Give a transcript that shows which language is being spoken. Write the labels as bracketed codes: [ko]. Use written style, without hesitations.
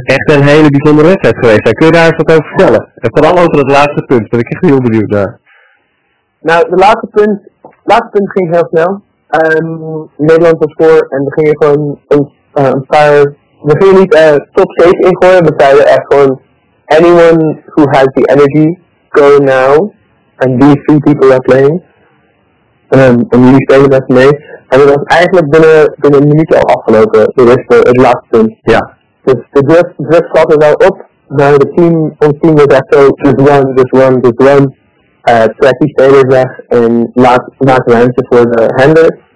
[nl] echt een hele bijzondere wedstrijd geweest. Kun je daar eens wat over vertellen? En vooral over het laatste punt, ben ik echt heel benieuwd naar. Nou, het laatste punt ging heel snel. Nederland was voor en we gingen gewoon een paar. We gingen niet top 7 ingooien, we zeiden echt gewoon. [en] Anyone who has the energy, go now, and these three people are playing. [nl] En jullie spelen met mee. En dat was eigenlijk binnen een minuut al afgelopen, de rest van het laatste punt. Ja. Dus de drift zat er wel op, maar de team, ons team was echt zo, [en] just run. [nl] Trek die spelers weg en laat ruimte voor de handler.